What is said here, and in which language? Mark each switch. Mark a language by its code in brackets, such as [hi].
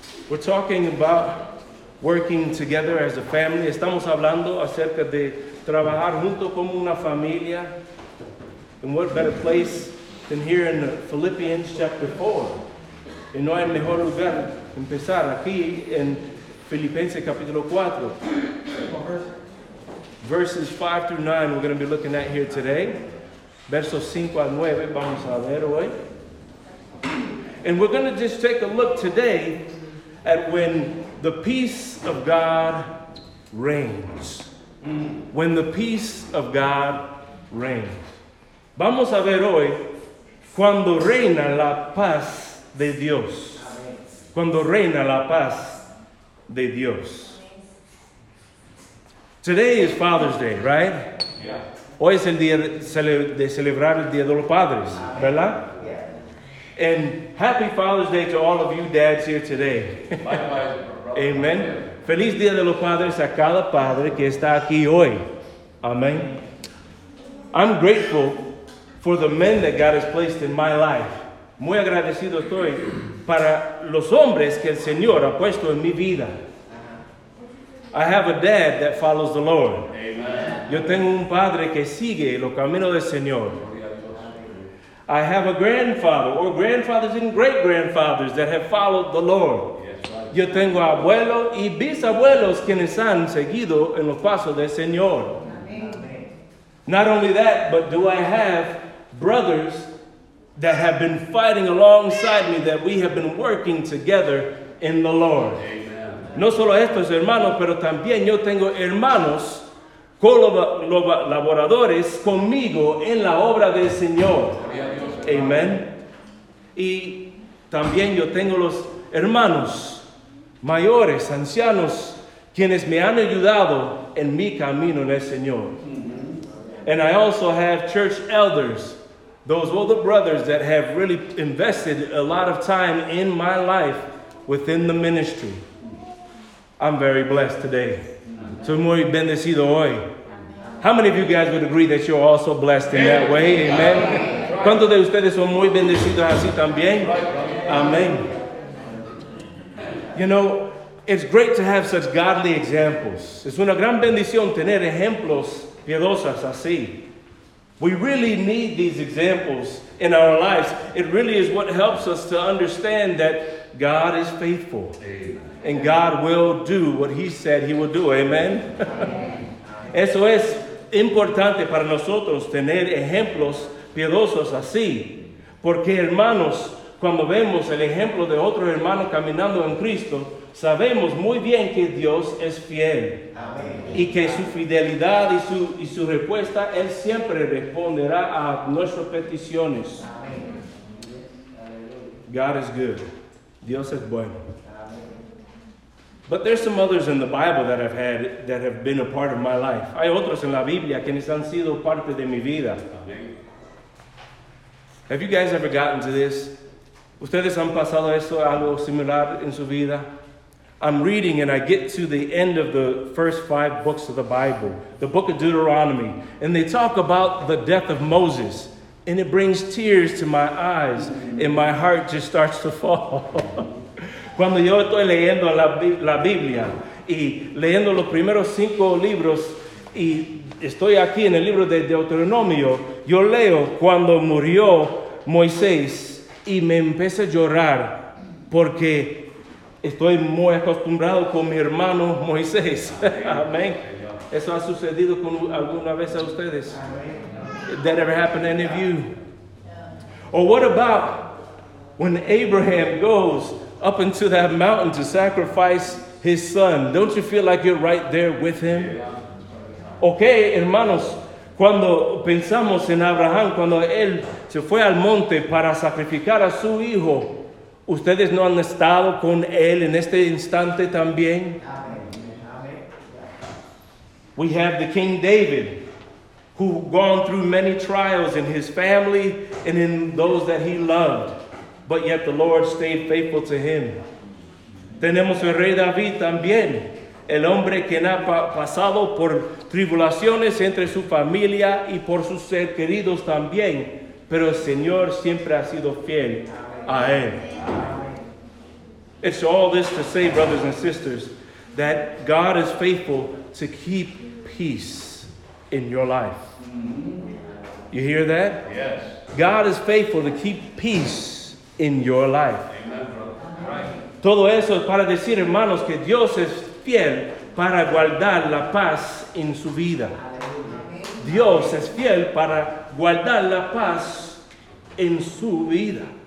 [en] We're talking about working together as a family. [es] Estamos hablando acerca de trabajar junto como una familia. [en] And what better place than here in Philippians chapter 4? [es] Y no hay mejor lugar empezar aquí en Filipenses capítulo 4. [en] Verses 5 through 9 we're going to be looking at here today. [es] Versos 5 a 9 vamos a ver hoy. [en] And we're going to just take a look today at when the peace of God reigns. When the peace of God reigns. [es] Vamos a ver hoy cuando reina la paz de Dios. Cuando reina la paz de Dios. [en] Today is Father's Day, right? Yeah. [es] Hoy es el día de celebrar el Día de los Padres, ¿verdad? [en] Yeah. And happy Father's Day to all of you dads here today. Bye bye, amen. [es] Feliz Día de los Padres a cada padre que está aquí hoy. [en] Amen. I'm grateful for the men that God has placed in my life. [es] Muy agradecido estoy para los hombres que el Señor ha puesto en mi vida. [en] I have a dad that follows the Lord. Amen. [es] Yo tengo un padre que sigue los caminos del Señor. [en] I have a grandfather or grandfathers and great grandfathers that have followed the Lord. [es] Yo tengo abuelos y bisabuelos quienes han seguido en los pasos del Señor. [en] Not only that, but do I have brothers that have been fighting alongside me that we have been working together in the Lord. [es] No solo estos hermanos, pero también yo tengo hermanos colaboradores conmigo en la obra del Señor. Amén. Y también yo tengo los hermanos mayores, ancianos, quienes me han ayudado en mi camino en el Señor. [en] And I also have church elders, those older brothers that have really invested a lot of time in my life within the ministry. I'm very blessed today. [es] Soy muy bendecido hoy. [en] How many of you guys would agree that you're also blessed in that way? Amen. [es] ¿Cuántos de ustedes son muy bendecidos así también? [en] Amen. You know, it's great to have such godly examples. [es] Es una gran bendición tener ejemplos piadosos así. [en] We really need these examples in our lives. It really is what helps us to understand that God is faithful. Amen. And God will do what he said he will do. Amen. [es] Eso es importante para nosotros tener ejemplos piadosos así. Porque hermanos, cuando vemos el ejemplo de otro hermano caminando en Cristo, sabemos muy bien que Dios es fiel. Amén. Y que su fidelidad y su respuesta, él siempre responderá a nuestras peticiones. Amén. [en] God is good. [es] Dios es bueno. [en] But there's some others in the Bible that I've had that have been a part of my life. [es] Hay otros en la Biblia quienes han sido parte de mi vida. [en] Amen. Have you guys ever gotten to this? [es] ¿Ustedes han pasado eso, algo similar en su vida? [en] I'm reading and I get to the end of the first five books of the Bible, the book of Deuteronomy, and they talk about the death of Moses, and it brings tears to my eyes, and my heart just starts to fall. [es] Cuando yo estoy leyendo la Biblia y leyendo los primeros cinco libros y estoy aquí en el libro de Deuteronomio, yo leo cuando murió Moisés y me empecé a llorar porque estoy muy acostumbrado con mi hermano Moisés. Amén. ¿Eso ha sucedido con alguna vez a ustedes? [en] That ever happened to any of you? Or what about when Abraham goes up into that mountain to sacrifice his son? Don't you feel like you're right there with him? [es] Okay, hermanos, cuando pensamos en Abraham, cuando él se fue al monte para sacrificar a su hijo, ¿ustedes no han estado con él en este instante también? [en] We have the King David, who gone through many trials in his family and in those that he loved. But yet the Lord stayed faithful to him. [es] Tenemos el rey David también, el hombre que ha pasado por tribulaciones entre su familia y por sus seres queridos también, pero el Señor siempre ha sido fiel a él. [en] It's all this to say, brothers and sisters, that God is faithful to keep peace in your life. You hear that? Yes. God is faithful to keep peace in your life. Amen, brother. [es] Right. Todo eso es para decir, hermanos, que Dios es fiel para guardar la paz en su vida. Dios es fiel para guardar la paz en su vida.